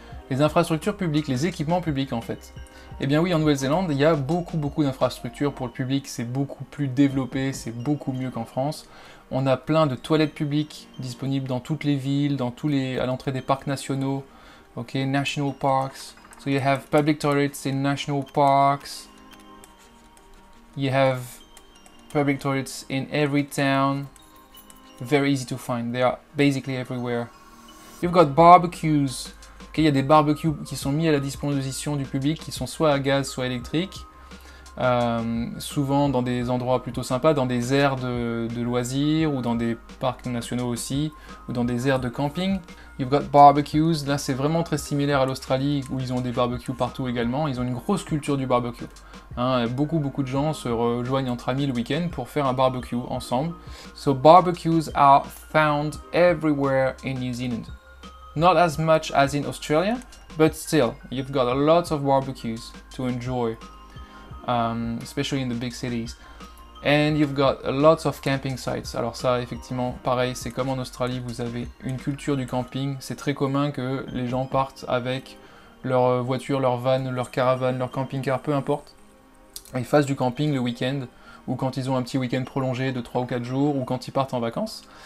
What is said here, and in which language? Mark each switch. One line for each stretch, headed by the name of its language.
French: Les infrastructures publiques, les équipements publics en fait. Eh bien oui, en Nouvelle-Zélande, il y a beaucoup d'infrastructures pour le public. C'est beaucoup plus développé, c'est beaucoup mieux qu'en France. On a plein de toilettes publiques disponibles dans toutes les villes, à l'entrée des parcs nationaux.
English: Ok, national parks. So you have public toilets in national parks. You have public toilets in every town. Very easy to find. They are basically everywhere. You've got barbecues.
French: Okay, il y a des barbecues qui sont mis à la disposition du public, qui sont soit à gaz, soit électriques. Souvent dans des endroits plutôt sympas, dans des aires de loisirs, ou dans des parcs nationaux aussi, ou dans des aires de camping.
English: You've got barbecues.
French: Là, c'est vraiment très similaire à l'Australie, où ils ont des barbecues partout également. Ils ont une grosse culture du barbecue. Hein, beaucoup de gens se rejoignent entre amis le week-end pour faire un barbecue ensemble.
English: So barbecues are found everywhere in New Zealand. Not as much as in Australia, but still, you've got a lot of barbecues to enjoy, especially in the big cities. And you've got a lot of camping sites.
French: Alors ça, effectivement, pareil, c'est comme en Australie, vous avez une culture du camping. C'est très commun que les gens partent avec leur voiture, leur van, leur caravane, leur camping-car, peu importe. Ils fassent du camping le week-end, ou quand ils ont un petit week-end prolongé de 3 ou 4 jours, ou quand ils partent en vacances.